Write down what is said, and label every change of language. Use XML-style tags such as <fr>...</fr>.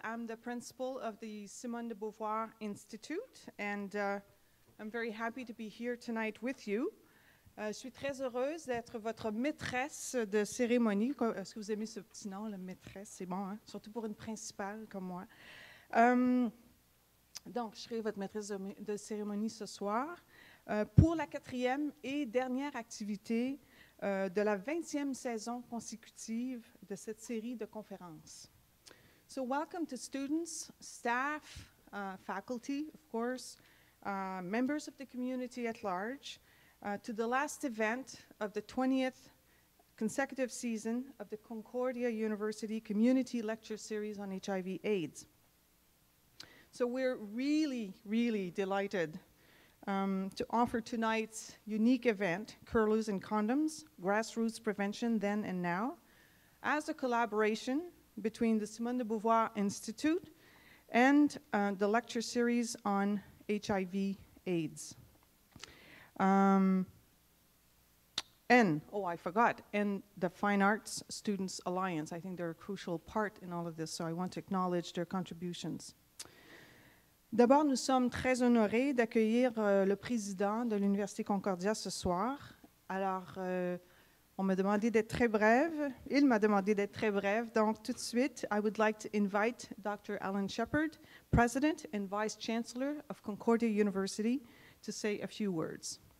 <en>I'm the principal of the Simone de Beauvoir Institute, and I'm very happy to be here tonight with you.</en> <fr>Je suis très heureuse d'être votre maîtresse de cérémonie. Est-ce que vous aimez ce petit nom, la maîtresse? C'est bon, hein? Surtout pour une principale comme moi. Donc, je serai votre maîtresse de cérémonie ce soir pour la quatrième et dernière activité de la 20e saison consécutive de cette série de conférences.</fr> <en>So, welcome to students, staff, faculty, of course, members of the community at large, to the last event of the 20th consecutive season of the Concordia University Community Lecture Series on HIV/AIDS. So we're really, really delighted to offer tonight's unique event, Curlews and Condoms, Grassroots Prevention Then and Now, as a collaboration between the Simone de Beauvoir Institute and the lecture series on HIV/AIDS. And the Fine Arts Students Alliance. I think they're a crucial part in all of this, so I want to acknowledge their contributions.</en> <fr>D'abord, nous sommes très honorés d'accueillir le président de l'Université Concordia ce soir. Alors, on m'a demandé d'être très brève. Il m'a demandé d'être très brève. Donc, tout de suite,</fr> <en>I would like to invite Dr. Alan Shepard, President and Vice Chancellor of Concordia University, to say a few words.</en>